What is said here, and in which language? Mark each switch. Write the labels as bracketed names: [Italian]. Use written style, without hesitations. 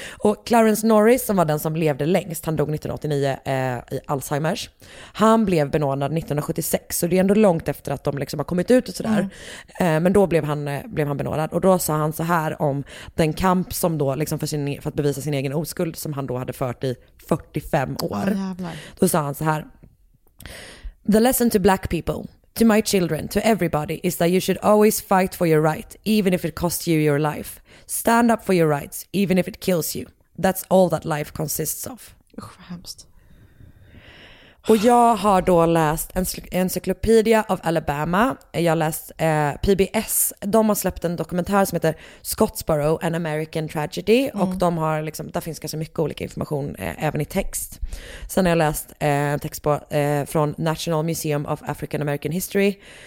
[Swedish] Och Clarence Norris, som var den som levde längst, han dog 1989 i Alzheimers. Han blev benådad 1976, så det är ändå långt efter att de liksom har kommit ut och sådär. Men då blev han benådad. Och då sa han så här om den kamp som då liksom för att bevisa sin egen oskuld som han då hade fört i 45 år. Då sa han så här: [English] "The lesson to black people, to my children, to everybody is that you should always fight for your right, even if it costs you your life. Stand up for your rights, even if it kills you. That's all that life consists of." [Swedish] Usch, vad hemskt. Och jag har då läst Encyclopedia of Alabama. Jag har läst PBS. De har släppt en dokumentär som heter Scottsboro, an American Tragedy. Mm. Och de har liksom, där finns ganska mycket olika information även i text. Sen har jag läst en text från National Museum of African American History.